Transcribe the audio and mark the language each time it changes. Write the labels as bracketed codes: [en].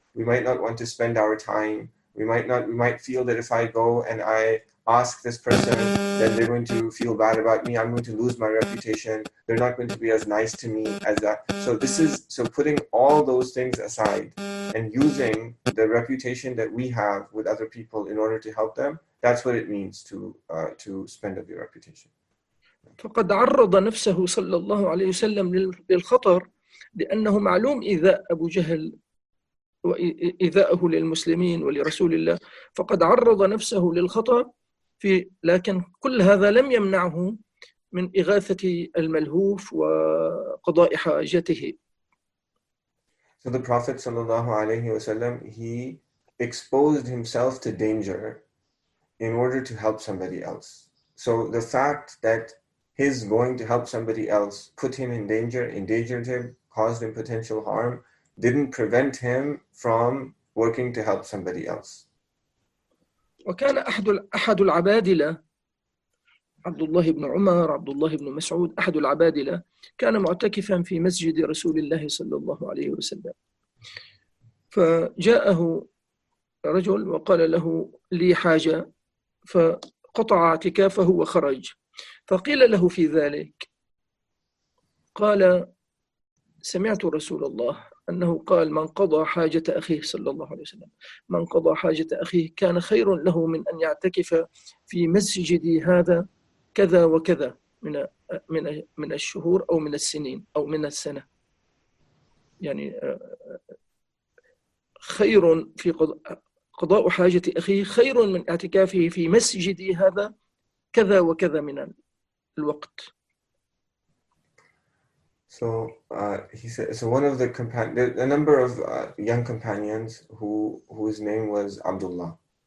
[en] We might not want to spend our time. We might feel that if I go and I ask this person, then they're going to feel bad about me. I'm going to lose my reputation. They're not going to be as nice to me as that. So putting all those things aside and using the reputation that we have with other people in order to help them, that's what it means to spend up your reputation. [ar] فقد عرض نفسه صلى الله عليه وسلم للخطر لأنه معلوم إذا أبو جهل وإذاءه للمسلمين ولرسول الله فقد عرض نفسه للخطر في لكن كل هذا لم يمنعه من إغاثة الملهوف وقضاء حاجته. [en] So the Prophet [ar] صلى الله عليه وسلم, [en] he exposed himself to danger in order to help somebody else. So the fact that his going to help somebody else put him in danger, endangered him, caused him potential harm, didn't prevent him from working to help somebody else. [ar] وكان أحد العبادلة عبد الله بن عمر عبد الله بن مسعود أحد العبادلة كان معتكفا في مسجد رسول الله صلى الله عليه وسلم فجاءه رجل وقال له لي حاجة فقطع اعتكافه وخرج فقيل له في ذلك قال سمعت رسول الله أنه قال من قضى حاجة أخيه صلى الله عليه وسلم من قضى حاجة أخيه كان خير له من أن يعتكف في مسجدي هذا كذا وكذا من الشهور أو من السنين أو من السنة يعني خير في قضاء حاجة أخيه خير من اعتكافه في مسجدي هذا كذا وكذا من الوقت. [en] So he said, so one of the companions, a number of young companions whose name was Abdullah.